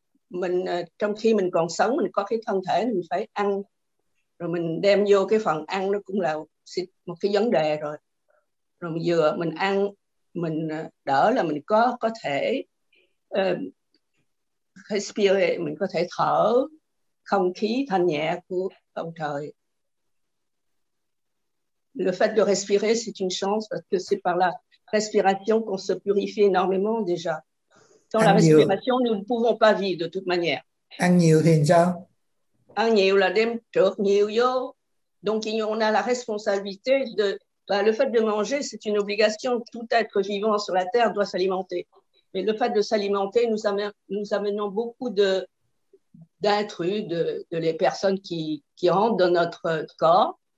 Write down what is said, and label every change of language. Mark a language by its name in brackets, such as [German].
[Vietnamese] Mình trong khi mình còn sống, mình có cái thân thể, mình phải ăn. Rồi mình đem vô cái phần ăn nó cũng là một cái vấn đề rồi. Rồi vừa mình ăn, mình đỡ là mình có thể respire, mình có thể thở không khí thanh nhẹ của ông trời. [French] Le fait de respirer, c'est une chance parce que c'est par la respiration qu'on se purifie énormément déjà. Sans la respiration, nhiều, nous ne pouvons pas vivre de toute manière. [Vietnamese] Ăn nhiều thì sao? Ăn nhiều là đem trước nhiều vô. [French] Donc, on a la responsabilité de... Bah, le fait de manger, c'est une obligation. Tout être vivant sur la Terre doit s'alimenter. Mais le fait de s'alimenter, nous amenons beaucoup d'intrus, de les personnes qui rentrent dans notre corps.